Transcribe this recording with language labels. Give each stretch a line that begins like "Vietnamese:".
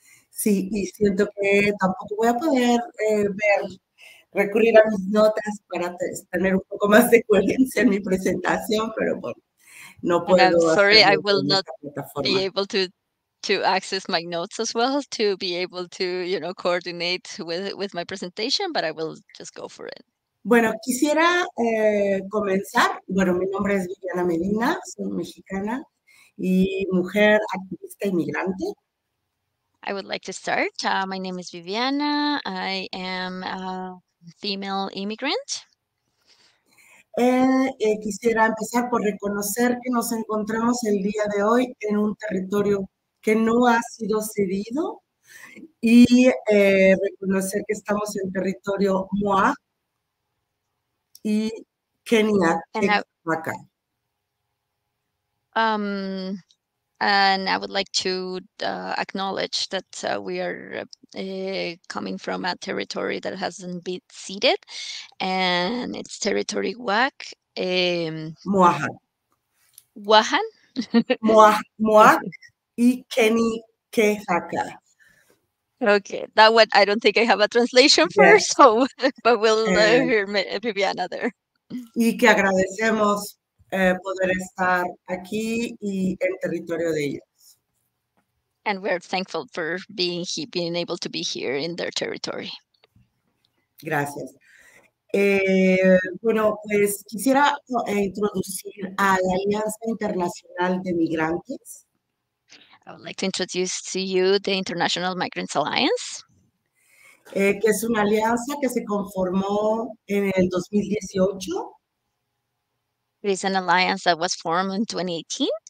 Spanish: Sí, y siento que tampoco voy a poder ver, recurrir a mis notas para tener un poco más de coherencia en mi presentación, pero bueno. No puedo
English: and I'm sorry, I will not be able to access my notes as well to be able to, you know, coordinate with my presentation, but I will just go for it.
Spanish: Bueno, quisiera comenzar. Bueno, mi nombre es Viviana Medina, soy mexicana y mujer activista inmigrante.
English: I would like to start. My name is Viviana. I am a female immigrant.
Spanish: Quisiera empezar por reconocer que nos encontramos el día de hoy en un territorio que no ha sido cedido y reconocer que estamos en territorio Moa y Kenia.
English: And I would like to acknowledge that we are coming from a territory that hasn't been ceded, and it's territory Wak. Mwahan. Wahan? Mwah y Keni Kehaka. Okay, that one, I don't think I have a translation for, yes. So, but we'll hear Viviana there.
Spanish: Y que agradecemos. Poder estar aquí y en territorio de ellos.
English: And we're thankful for being able to be here in their territory.
Spanish: Gracias. Bueno, pues quisiera introducir a la Alianza Internacional de Migrantes.
English: I would like to introduce to you the International Migrants Alliance.
Spanish: Que es una alianza que se conformó en el 2018.
English: It is an alliance that was formed in 2018.